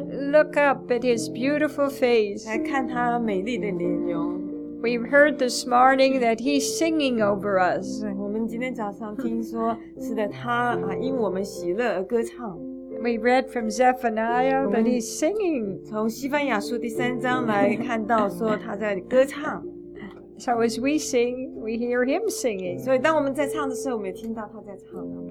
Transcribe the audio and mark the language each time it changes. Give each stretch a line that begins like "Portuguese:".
English: Look up at His beautiful face.
Chinese: 来看他美丽的脸容。
English: We've heard this morning that He's singing over us.
Chinese: 我们今天早上听说，是的，他因我们喜乐而歌唱。
English: we read from Zephaniah that he's singing.
Chinese: 从西班牙书第三章来看到说他在歌唱。
English: So as we sing, we hear him singing.
Chinese: 所以当我们在唱的时候，我们也听到他在唱。